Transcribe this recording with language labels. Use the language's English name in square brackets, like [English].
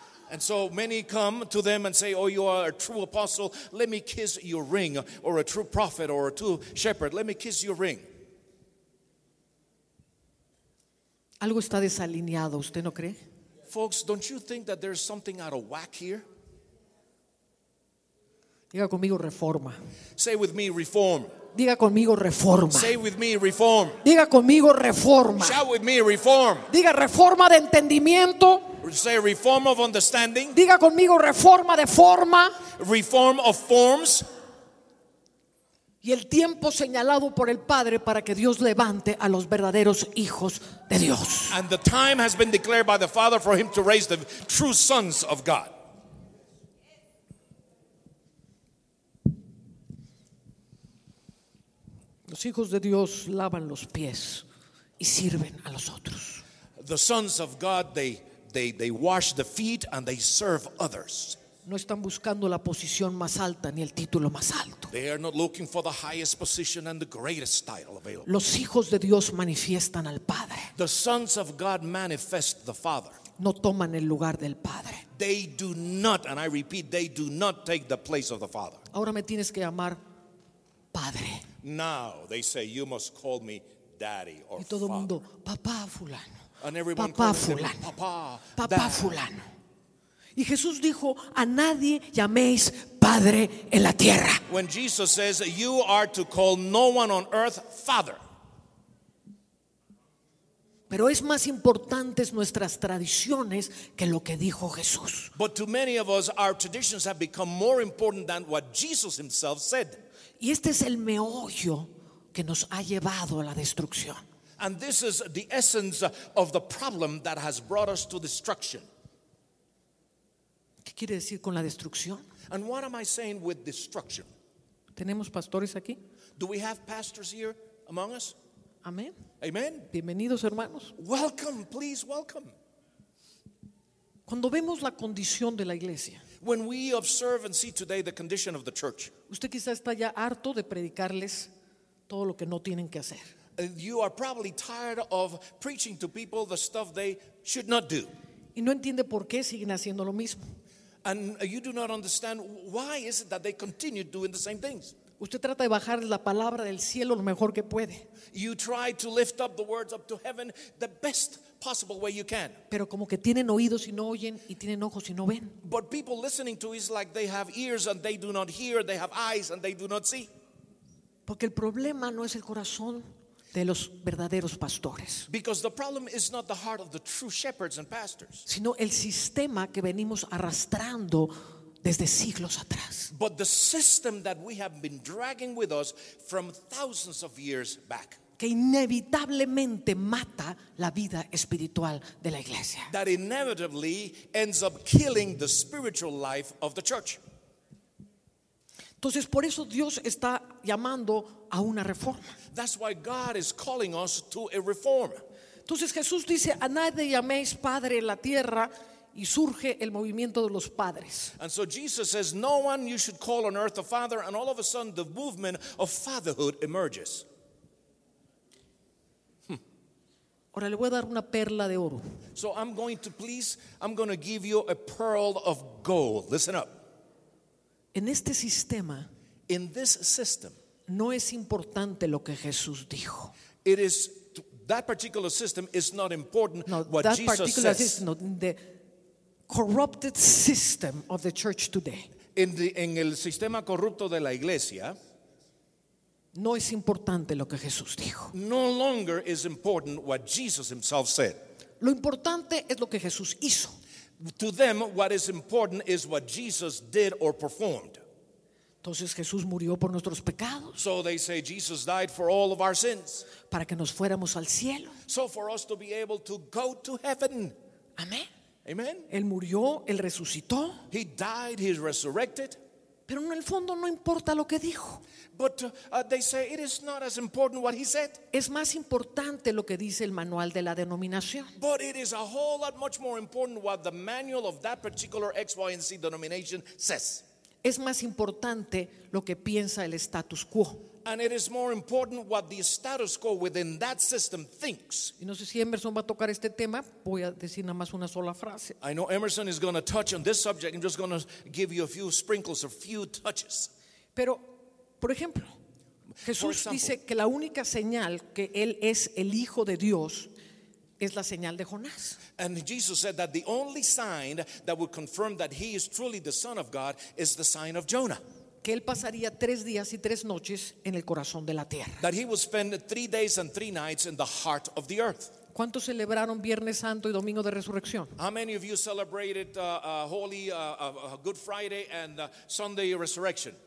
[English] And so many come to them and say, oh, you are a true apostle. Let me kiss your ring. Or a true prophet or a true shepherd. Let me kiss your ring. [Spanish] Algo está desalineado, ¿usted no cree? [English] Folks, don't you think that there's something out of whack here? [Spanish] Diga conmigo reforma. [English] Say with me reform. [Spanish] Diga conmigo reforma. [English] Say with me reform. [Spanish] Diga conmigo reforma. [English] Shout with me reform. [Spanish] Diga reforma de entendimiento. [English] Say reform of understanding. [Spanish] Diga conmigo reforma de forma. [English] Reform of forms. [Spanish] Y el tiempo señalado por el Padre para que Dios levante a los verdaderos hijos de Dios. [English] And the time has been declared by the Father for him to raise the true sons of God. [Spanish] Los hijos de Dios lavan los pies y sirven a los otros. [English] The sons of God, they wash the feet and they serve others. [Spanish] No están buscando la posición más alta ni el título más alto. [English] They are not looking for the highest position and the greatest title available. [Spanish] Los hijos de Dios manifiestan al Padre. [English] The sons of God manifest the Father. [Spanish] No toman el lugar del Padre. [English] They do not, and I repeat, they do not take the place of the Father. [Spanish] Ahora me tienes que llamar Padre. [English] Now they say you must call me daddy or [Spanish] y todo [English] father. [Spanish] Mundo, papá fulano. [English] And everyone papá calls fulano. Them, papá, [Spanish] papá fulano. Y Jesús dijo, a nadie llaméis padre en la tierra. [English] When Jesus says you are to call no one on earth father. [Spanish] Pero es más importante nuestras tradiciones que lo que dijo Jesús. [English] But to many of us our traditions have become more important than what Jesus himself said. [Spanish] Y este es el meollo que nos ha llevado a la destrucción. [English] And this is the essence of the problem that has brought us to destruction. [Spanish] ¿Qué quiere decir con la destrucción? [English] And what am I saying with destruction? [Spanish] ¿Tenemos pastores aquí? [English] Do we have pastors here among us? [Spanish] Amén. [English] Amen. [Spanish] Bienvenidos, hermanos. [English] Welcome, please welcome. [Spanish] Cuando vemos la condición de la iglesia, [English] when we observe and see today the condition of the church, [Spanish] usted quizá está ya harto de predicarles todo lo que no tienen que hacer. [English] You are probably tired of preaching to people the stuff they should not do. [Spanish] Y no entiende por qué siguen haciendo lo mismo. [English] And you do not understand why is it that they continue doing the same things. [Spanish] Usted trata de bajar la palabra del cielo lo mejor que puede. [English] You try to lift up the words up to heaven the best possible way you can. [Spanish] Pero como que tienen oídos y no oyen y tienen ojos y no ven. [English] But people listening to is like they have ears and they do not hear, they have eyes and they do not see. [Spanish] Porque el problema no es el corazón de los verdaderos pastores. [English] Because the problem is not the heart of the true shepherds and pastors. [Spanish] Sino el sistema que venimos arrastrando desde siglos atrás. [English] But the system that we have been dragging with us from thousands of years back. [Spanish] Que inevitablemente mata la vida espiritual de la iglesia. [English] That inevitably ends up killing the spiritual life of the church. [Spanish] Entonces por eso Dios está llamando a una reforma. [English] That's why God is calling us to a reform. [Spanish] Entonces Jesús dice, a nadie llaméis padre en la tierra. Y surge el movimiento de los padres. [English] And so Jesus says, no one you should call on earth a father, and all of a sudden the movement of fatherhood emerges. [Spanish] Ahora le voy a dar una perla de oro. [English] So I'm going to give you a pearl of gold. Listen up. [Spanish] En este sistema, [English] in this system, [Spanish] no es importante lo que Jesús dijo. [English] It is that particular system is not important [Spanish] no, [English] what that Jesus particular says. System, no, the corrupted system of the church today. [Spanish] En el sistema corrupto de la iglesia, no es importante lo que Jesús dijo. [English] No longer is important what Jesus himself said. [Spanish] Lo importante es lo que Jesús hizo. [English] To them, what is important is what Jesus did or performed. [Spanish] Entonces Jesús murió por nuestros pecados. [English] So they say Jesus died for all of our sins. [Spanish] Para que nos fuéramos al cielo. [English] So for us to be able to go to heaven. [Spanish] Amén. [English] Amen. [Spanish] Él murió, él resucitó. [English] He died, he resurrected. [Spanish] Pero en el fondo no importa lo que dijo. [English] But they say it is not as important what he said. [Spanish] Es más importante lo que dice el manual de la denominación. [English] But it is a whole lot much more important what the manual of that particular X, Y, and Z denomination says. [Spanish] Es más importante lo que piensa el status quo. [English] And it is more important what the status quo within that system thinks. [Spanish] Y no sé si Emerson va a tocar este tema, voy a decir nada más una sola frase. [English] I know Emerson is going to touch on this subject. I'm just going to give you a few sprinkles, a few touches. [Spanish] Pero, por ejemplo, Jesús dice que la única señal que él es el Hijo de Dios es la señal de Jonás. [English] And Jesus said that the only sign that would confirm that he is truly the Son of God is the sign of Jonah. [Spanish] Que él pasaría tres días y tres noches en el corazón de la tierra. [English] That he would spend 3 days and 3 nights in the heart of the earth. [Spanish] ¿Cuántos celebraron Viernes Santo y Domingo de Resurrección? [English] How many of you celebrated Holy Good Friday and Sunday Resurrection?